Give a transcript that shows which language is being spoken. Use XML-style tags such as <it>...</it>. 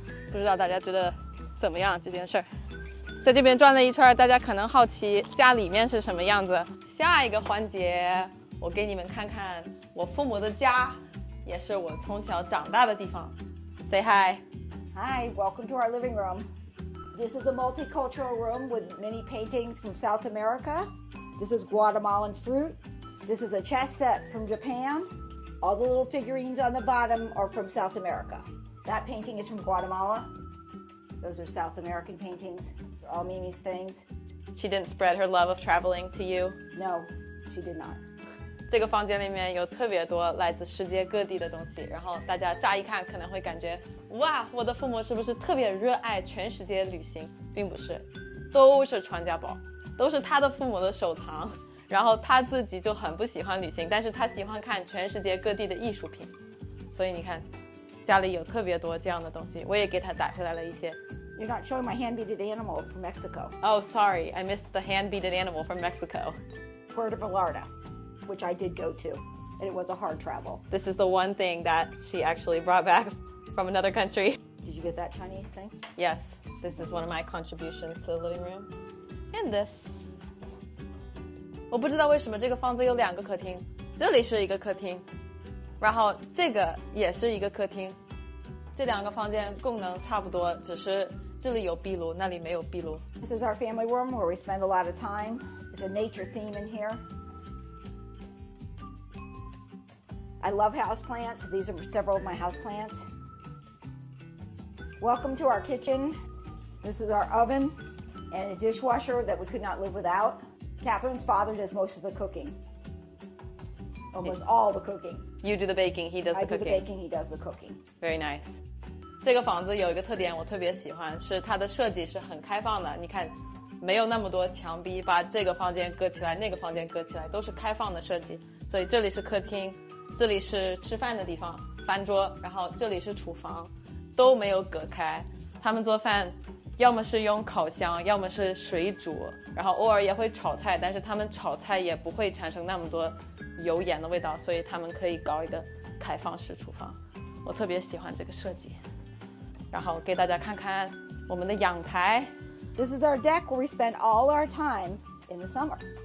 <zh>不知道大家觉得怎么样这件事儿？在这边转了一圈，大家可能好奇家里面是什么样子。下一个环节我给你们看看我父母的家，也是我从小长大的地方。</zh> <en>Say hi. Hi, welcome to our living room. This is a multicultural room with many paintings from South AmericaThis is Guatemalan fruit. This is a chess set from Japan. All the little figurines on the bottom are from South America. That painting is from Guatemala. Those are South American paintings. They're all Mimi's things. She didn't spread her love of traveling to you? No, she did not.</en> <zh>这个房间里面有特别多来自世界各地的东西，然后大家乍一看可能会感觉，哇，我的父母是不是特别热爱全世界旅行？并不是，都是传家宝。都是他的父母的收藏，然后他自己就很不喜欢旅行，但是他喜欢看全世界各地的艺术品，所以你看，家里有特别多这样的东西，我也给他带回来了一些。</zh> <en>You're not showing my hand-beaded animal from Mexico. Oh, sorry, I missed the hand-beaded animal from Mexico. Puerto Vallarta, which I did go to, and it was a hard travel. This is the one thing that she actually brought back from another country. Did you get that Chinese thing? Yes, this is one of my contributions to the living room. And this.</en> <zh>我不知道为什么这个房子有两个客厅，这里是一个客厅，然后这个也是一个客厅，这两个房间功能差不多，只是这里有壁炉，那里没有壁炉。</zh> <en>This is our family room where we spend a lot of time. It's a nature theme in here. I love house plants. These are several of my house plants. Welcome to our kitchen. This is our oven. And a dishwasher that we could not live without. Catherine's father does most of the cooking. Almost all the cooking. You do the baking, he does the cooking. I do the baking, he does the cooking. Very nice.</en> <zh>这个房子有一个特点我特别喜欢，是它的设计是很开放的。你看，没有那么多墙壁把这个房间隔起来，那个房间隔起来，都是开放的设计。所以这里是客厅，这里是吃饭的地方，饭桌，然后这里是厨房，都没有隔开。他们做饭要么是用烤箱，要么是水煮，然后偶尔也会炒菜，但是他们炒菜也不会产生那么多油盐的味道，所以他们可以搞一个开放式厨房。我特别喜欢这个设计。然后给大家看看我们的阳台。</zh> <en>This is our deck where we spend all our time in the summer.</en>